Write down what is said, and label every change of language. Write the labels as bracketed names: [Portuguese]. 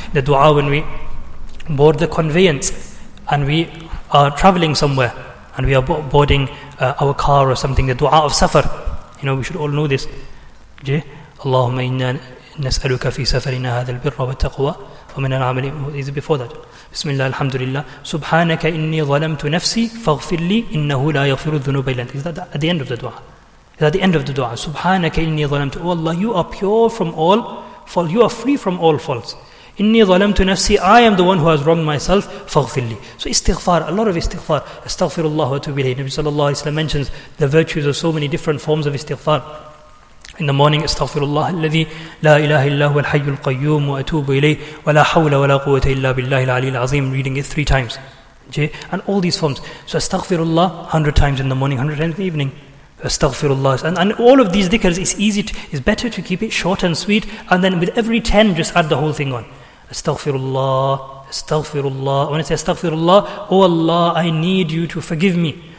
[English] The dua when we board the conveyance and we are traveling somewhere and we are boarding our car or something, the dua of safar, you know, we should all know this. Allahumma inna nas'aluka fi safarina hadha al-birra wa taqwa, [Arabic] ومن العمل [English] is before that. [Arabic] بسم الله الحمد لله سبحانك إني ظلمت نفسي فاغفر لي إنه لا يغفر الذنوب إلا أنت. [English] Is that at the end of the dua? Is that the end of the dua? [Arabic] سبحانك إني ظلمت. [English] Oh Allah, you are pure from all fault. You are free from all faults. [Arabic] إني ظلمت نفسي. [English] I am the one who has wronged myself. [Arabic] فاغفر لي. [English] So استغفار, a lot of استغفار. [Arabic] استغفر الله واتوب إليه. [English] Nabi صلى الله عليه وسلم mentions the virtues of so many different forms of استغفار. In the morning, [Arabic] استغفر الله الذي لا إله إلا هو الحي القيوم وأتوب إليه ولا حول ولا قوة إلا بالله العلي العظيم. [English] Reading it 3 times. Okay? And all these forms. So استغفر الله 100 times in the morning, 100 times in the evening. Astaghfirullah. And all of these dhikrs, it's better to keep it short and sweet, and then with every 10 just add the whole thing on. Astaghfirullah, astaghfirullah. When I say astaghfirullah, oh Allah, I need you to forgive me.